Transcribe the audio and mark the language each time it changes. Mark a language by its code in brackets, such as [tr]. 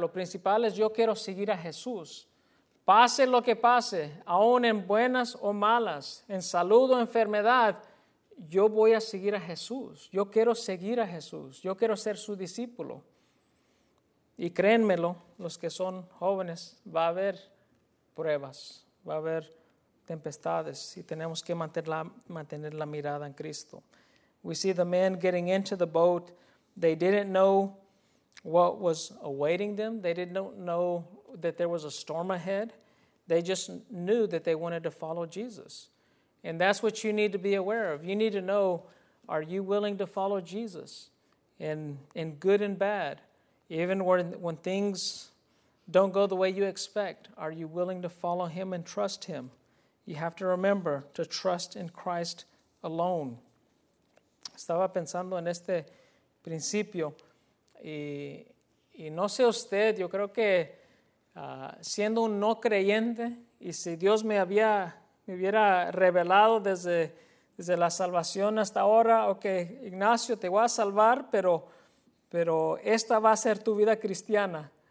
[es] Lo principal es yo quiero seguir a Jesús. Pase lo que pase, aún en buenas o malas, en salud o enfermedad, yo voy a seguir a Jesús. Yo quiero seguir a Jesús. Yo quiero ser su discípulo. Y créanmelo, los que son jóvenes, va a haber pruebas. Va a haber tempestades y tenemos que mantener la mirada en Cristo. [en] We see the men getting into the boat. They didn't know what was awaiting them. They didn't know that there was a storm ahead. They just knew that they wanted to follow Jesus. And that's what you need to be aware of. You need to know, are you willing to follow Jesus in good and bad? Even when things don't go the way you expect. Are you willing to follow him and trust him? You have to remember to trust in Christ alone. [es] Estaba pensando en este principio. Y no sé usted, yo creo que siendo un no creyente, y si Dios me hubiera revelado desde la salvación hasta ahora, okay, Ignacio, te voy a salvar, pero esta va a ser tu vida cristiana.